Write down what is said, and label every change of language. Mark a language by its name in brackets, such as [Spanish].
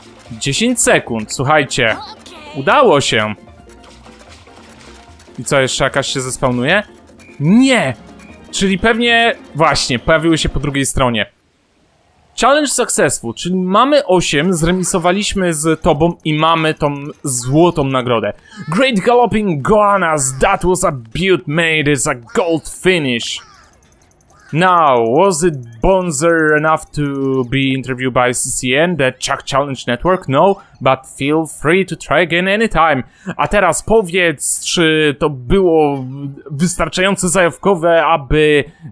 [Polish] 10 sekund, słuchajcie. Udało się. I co, jeszcze jakaś się zespawnuje? Nie! Czyli pewnie... Właśnie, pojawiły się po drugiej stronie. [English] Challenge successful, [Polish] czyli mamy 8, zremisowaliśmy z tobą i mamy tą złotą nagrodę. [English] Great galloping Goannas, that was a beaut made as a gold finish. Now, was it bonzer enough to be interviewed by CCN, the Chuck Challenge Network? No, but feel free to try again anytime. [Polish] A teraz powiedz, czy to było wystarczająco zajawkowe, aby...